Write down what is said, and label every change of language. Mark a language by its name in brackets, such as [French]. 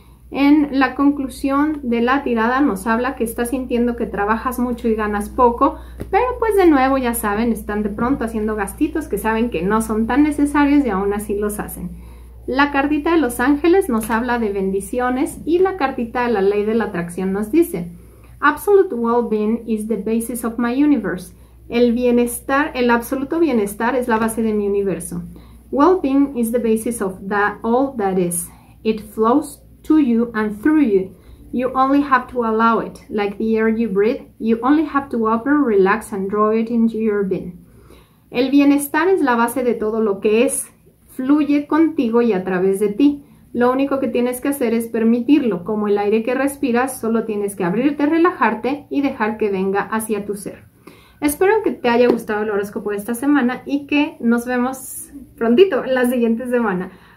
[Spanish] En la conclusión de la tirada nos habla que estás sintiendo que trabajas mucho y ganas poco, pero pues de nuevo, ya saben, están de pronto haciendo gastitos que saben que no son tan necesarios y aún así los hacen. La cartita de los ángeles nos habla de bendiciones y la cartita de la ley de la atracción nos dice: [English] Absolute well-being is the basis of my universe. [Spanish] El bienestar, el absoluto bienestar es la base de mi universo. [English] Well-being is the basis of that all that is. It flows to you and through you. You only have to allow it, like the air you breathe. You only have to open, relax and draw it into your being. [Spanish] El bienestar es la base de todo lo que es. Fluye contigo y a través de ti. Lo único que tienes que hacer es permitirlo, como el aire que respiras, solo tienes que abrirte, relajarte y dejar que venga hacia tu ser. Espero que te haya gustado el horóscopo de esta semana y que nos vemos prontito, la siguiente semana.